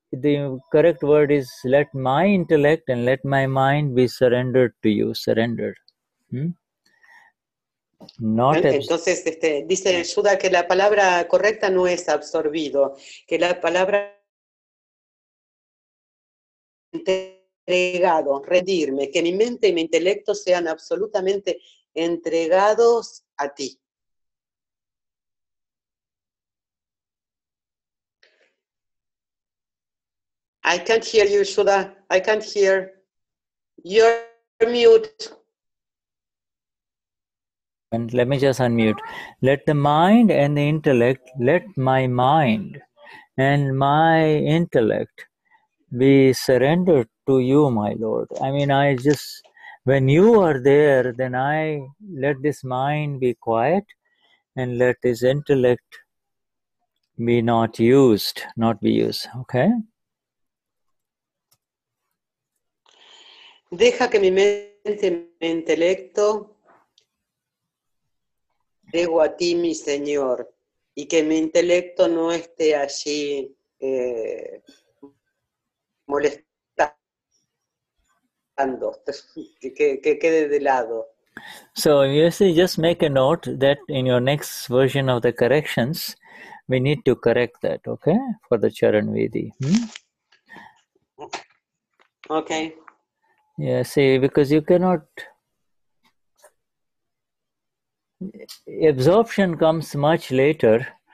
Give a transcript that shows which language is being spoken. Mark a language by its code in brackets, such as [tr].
[en] The correct word is let my intellect and let my mind be surrendered to you. Surrendered. [es] Entonces, dice el Suda que la palabra correcta no es absorbido, que la palabra entregado, rendirme, que mi mente y mi intelecto sean absolutamente entregados a ti. [en] I can't hear you, Shuda. I can't hear. You're mute. And let me just unmute. Let the mind and the intellect, let my mind and my intellect be surrendered to you, my Lord. I mean, I just, when you are there, then I let this mind be quiet and let this intellect be not be used, okay? [es] Deja que mi mente y mi intelecto dejo a ti, mi Señor, y que mi intelecto no esté allí molestando, que quede de lado. [en] So you see, just make a note that in your next version of the corrections, we need to correct that, okay, for the Charanvidhi. Okay. Yeah, see, because you cannot, absorption comes much later.